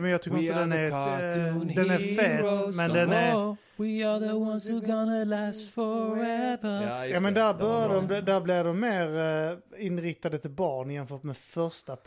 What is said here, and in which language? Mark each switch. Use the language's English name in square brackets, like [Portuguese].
[Swedish] Men jag tycker inte den är den är fet, men den är [English] We are the ones who gonna last forever. [Swedish] Ja, men där bör där blir de mer inriktade till barn jämfört med första